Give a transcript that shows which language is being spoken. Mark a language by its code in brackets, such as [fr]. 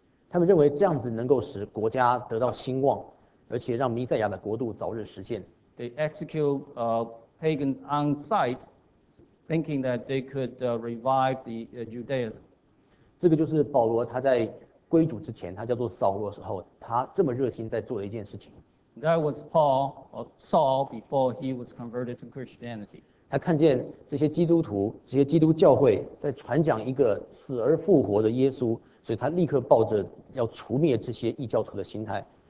[zh] 他们认为这样子能够使国家得到兴旺，而且让弥赛亚的国度早日实现。 [en] They execute pagans on site, thinking that they could revive the Judaism. [zh] 这个就是保罗他在归主之前，他叫做扫罗的时候，他这么热心在做的一件事情。 [en] That was Paul, or Saul, before he was converted to Christianity. [zh] 他看见这些基督徒、这些基督教会在传讲一个死而复活的耶稣，所以他立刻抱着要除灭这些异教徒的心态。